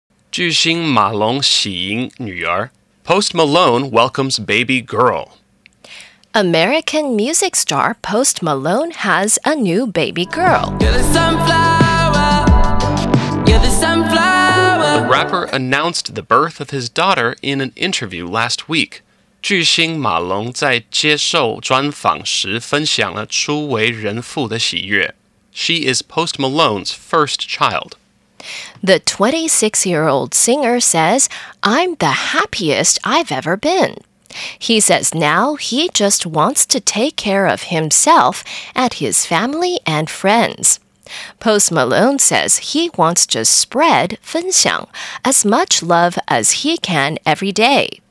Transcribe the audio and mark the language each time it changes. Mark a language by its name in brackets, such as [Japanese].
[Chinese] 巨星 马龙喜迎女儿 [English] Post Malone welcomes baby girl. American music star Post Malone has a new baby girl. You're the sunflower. You're the sunflower. The rapper announced the birth of his daughter in an interview last week. [Chinese] 巨星马龙在接受专访时分享了初为人父的喜悦。 [English] She is Post Malone's first child. The 26-year-old singer says, I'm the happiest I've ever been. He says now he just wants to take care of himself and his family and friends. Post Malone says he wants to spread 分享 as much love as he can every day.